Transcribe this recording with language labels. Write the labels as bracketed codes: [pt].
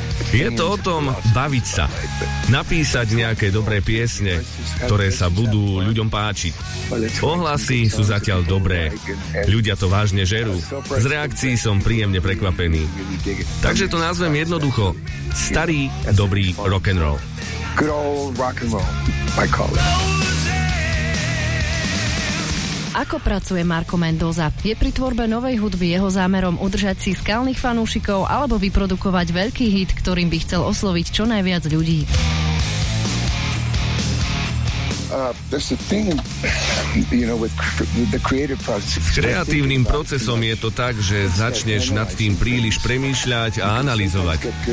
[sk] Je to o tom baviť sa, napísať nejaké dobré piesne, ktoré sa budú ľuďom páčiť. Ohlasy sú zatiaľ dobré. Ľudia to vážne žerú. Z reakcií som príjemne prekvapený. Takže to nazvem jednoducho starý dobrý rock'n'roll. [en] Good old rock'n'roll, I call it. [sk] Ako pracuje Marco Mendoza? Je pri tvorbe novej hudby jeho zámerom udržať si skalných fanúšikov alebo vyprodukovať veľký hit, ktorým by chcel osloviť čo najviac ľudí? S kreatívnym procesom je to tak, že začneš nad tým príliš premýšľať a analyzovať.